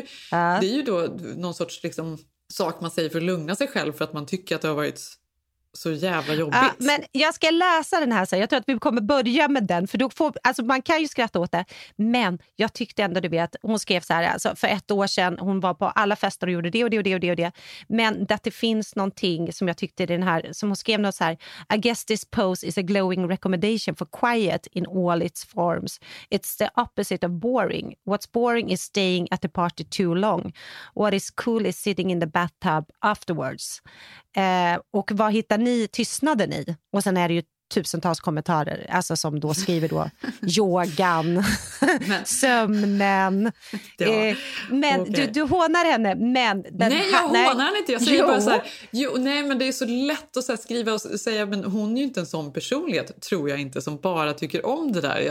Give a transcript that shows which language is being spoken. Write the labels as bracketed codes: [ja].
[sv] Det är ju då någon sorts liksom, sak man säger för att lugna sig själv. För att man tycker att det har varit så jävla jobbigt. Men jag ska läsa den här sen. Jag tror att vi kommer börja med den. För då får, alltså man kan ju skratta åt det. Men jag tyckte ändå, du vet, hon skrev så här. Alltså för ett år sedan, hon var på alla fester och gjorde det och det och det och det. Och det. Men att det finns någonting som jag tyckte i den här. Som hon skrev något så här. [en] I guess this post is a glowing recommendation for quiet in all its forms. It's the opposite of boring. What's boring is staying at the party too long. What is cool is sitting in the bathtub afterwards. [sv] Och vad hittar ni tystnaden i? Och sen är det ju tusentals kommentarer, alltså som då skriver då yogan, sömnen. Ja. Men okay. Du hånar henne, men den, nej, jag hånar henne inte. Jag säger bara så här, jo, nej, men det är så lätt att så här skriva och säga, men hon är ju inte en sån personlighet, tror jag inte, som bara tycker om det där.